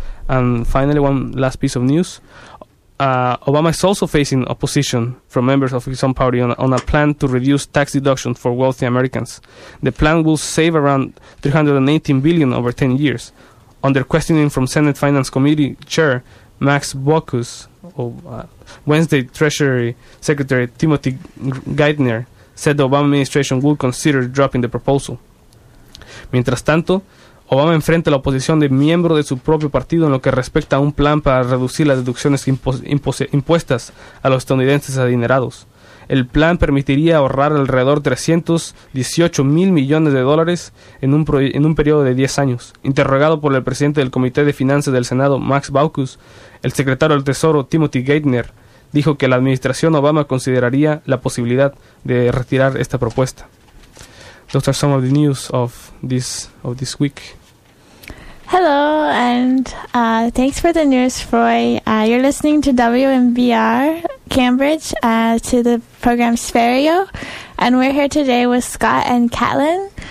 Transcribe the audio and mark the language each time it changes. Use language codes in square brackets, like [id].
[en] And finally, one last piece of news. Obama is also facing opposition from members of his own party on a plan to reduce tax deductions for wealthy Americans. The plan will save around $318 billion over 10 years. Under questioning from Senate Finance Committee Chair Max Baucus, Wednesday Treasury Secretary Timothy Geithner said the Obama administration would consider dropping the proposal. [es] Mientras tanto, Obama enfrenta la oposición de miembros de su propio partido en lo que respecta a un plan para reducir las deducciones impuestas a los estadounidenses adinerados. El plan permitiría ahorrar alrededor de $318 mil millones en un periodo de 10 años. Interrogado por el presidente del Comité de Finanzas del Senado, Max Baucus, el secretario del Tesoro, Timothy Geithner, dijo que la administración Obama consideraría la posibilidad de retirar esta propuesta. [en] Those are some of the news of this week. Hello, and thanks for the news, Froy. You're listening to WMBR Cambridge, to the program Sperio, and we're here today with Scott and Catelyn.